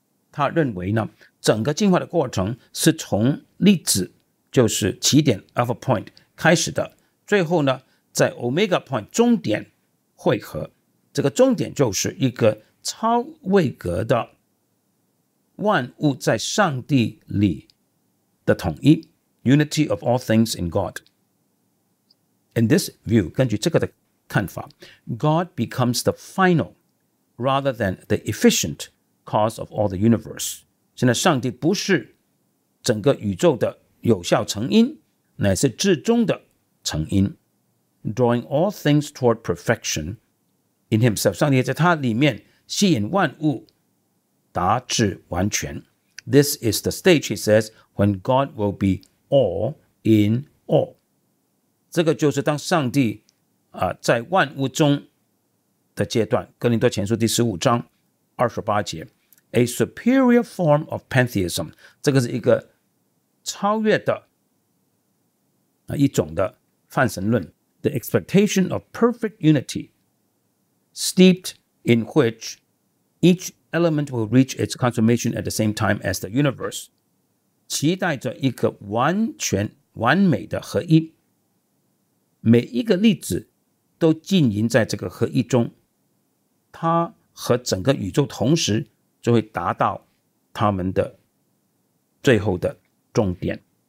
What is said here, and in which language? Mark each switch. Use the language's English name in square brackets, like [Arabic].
[Chinese] 他认为呢，整个进化的过程是从粒子，就是起点 alpha point 开始的，最后呢在 omega point 终点汇合，这个终点就是一个超位格的万物在上帝里的统一 [English] unity of all things in God. In this view, [Chinese] 根据这个的看法， [English] God becomes the final rather than the efficient cause of all the universe. [Chinese] 现在上帝不是整个宇宙的有效成因，乃是至终的成因。 [English] Drawing all things toward perfection in himself. [Chinese] 上帝在他里面吸引万物达至完全。 [English] This is the stage, he says, when God will be all in all. [Chinese] 这个就是当上帝在万物中的阶段。哥林多前书第十五章二十八节。 [English] A superior form of pantheism. [Chinese] 这个是一个超越的一种的泛神论。 [English] The expectation of perfect unity, steeped in which each element will reach its consummation at the same time as the universe. [Chinese] 期待着一个完全完美的合一，每一个粒子都浸淫在这个合一中，它和整个宇宙同时就会达到它们的最后的终点。